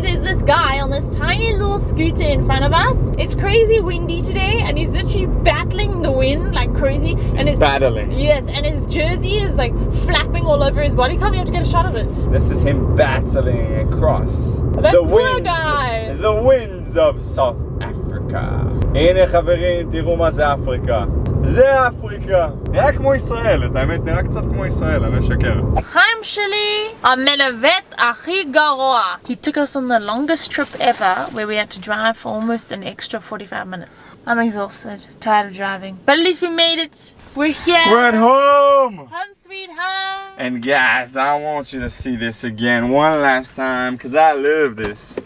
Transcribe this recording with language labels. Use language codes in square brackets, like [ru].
[en] There's this guy on this tiny little scooter in front of us. It's crazy windy today and he's literally battling the wind like crazy. He's battling. Yes, and his jersey is like flapping all over his body. Come, you have to get a shot of it. This is him battling across the wind guy. The winds of South Africa. [he] הנה חברים, תראו מה זה אפריקה. זה אפריקה. נראה כמו ישראל, את האמת, נראה קצת כמו ישראל, אני אשקר. חיים שלי, המלוות הכי גרוע. [en] He took us on the longest trip ever, where we had to drive for almost an extra 45 minutes. I'm exhausted, tired of driving. But at least we made it. We're here. We're at home. Home sweet home. And guys, I want you to see this again one last time, because I love this.